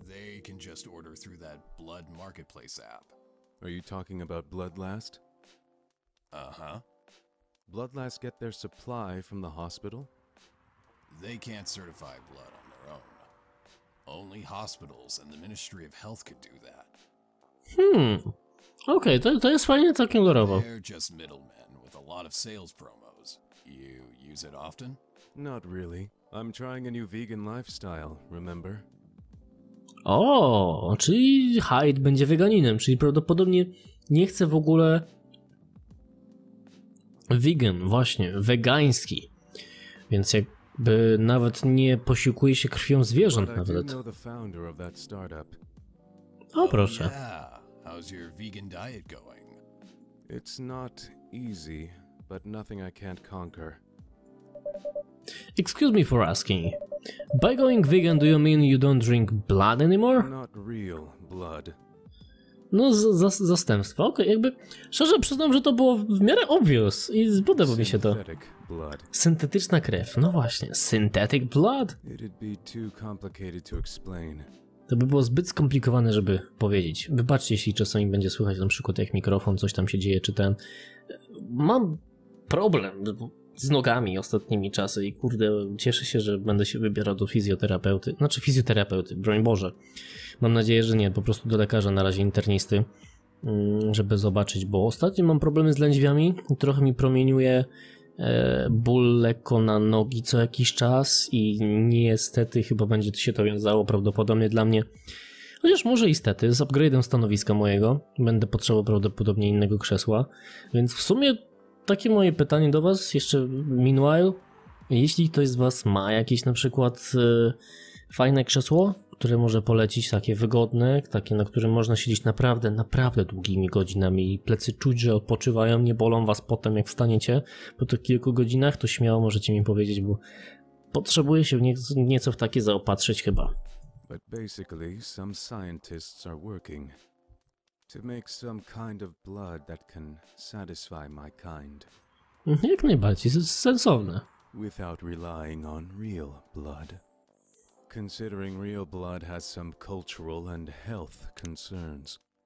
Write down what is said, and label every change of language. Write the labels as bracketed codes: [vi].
[en] They can just order through that blood marketplace app. Are you talking about Bloodlast? Uh-huh. Bloodlast get their supply from the hospital? They can't certify blood on their own. Only hospitals and the Ministry of Health can do that. [pl] Okej, okay, to jest fajnie, całkiem lorowo. [en] They're just middlemen with a lot of sales promos. You use it often? Not really. I'm trying a new vegan lifestyle, remember? [pl] O, czyli Hyde będzie weganinem, czyli prawdopodobnie nie chce w ogóle vegan, właśnie, wegański. Więc jakby nawet nie posiłkuje się krwią zwierząt nawet. [en] But I do know the founder of that startup. [pl] O, proszę. [en] Oh, yeah. How's your vegan diet going? It's not easy, but nothing I can't conquer. Excuse me for asking. By going vegan, do you mean you don't drink blood anymore? Not real blood. [pl] No, zastępstwo. Okej, jakby szczerze przyznam, że to było w miarę obvious i spodobało mi się to. [en] Synthetic blood. [pl] Syntetyczna krew. No właśnie, [en] synthetic blood. It'd be too complicated to explain. [pl] To by było zbyt skomplikowane, żeby powiedzieć. Wybaczcie, jeśli czasami będzie słychać na przykład jak mikrofon, coś tam się dzieje, czy ten... Mam problem z nogami ostatnimi czasy i kurde, cieszę się, że będę się wybierał do fizjoterapeuty. Znaczy fizjoterapeuty, broń Boże. Mam nadzieję, że nie, po prostu do lekarza na razie internisty, żeby zobaczyć, bo ostatnio mam problemy z lędźwiami. Trochę mi promieniuje ból lekko na nogi co jakiś czas i niestety chyba będzie się to wiązało prawdopodobnie dla mnie, chociaż może istety, z upgrade'em stanowiska mojego będę potrzebował prawdopodobnie innego krzesła, więc w sumie takie moje pytanie do was jeszcze meanwhile, jeśli ktoś z was ma jakieś na przykład fajne krzesło, które może polecić, takie wygodne, takie na którym można siedzieć naprawdę, naprawdę długimi godzinami i plecy czuć, że odpoczywają, nie bolą was potem jak wstaniecie po tych kilku godzinach, to śmiało możecie mi powiedzieć, bo potrzebuję się nieco w takie zaopatrzyć chyba. [en] But basically some scientists are working to make some kind of blood that can satisfy my kind. [pl] Jak najbardziej, to jest sensowne. [en] Without relying on real blood. Considering real blood has some cultural and health concerns.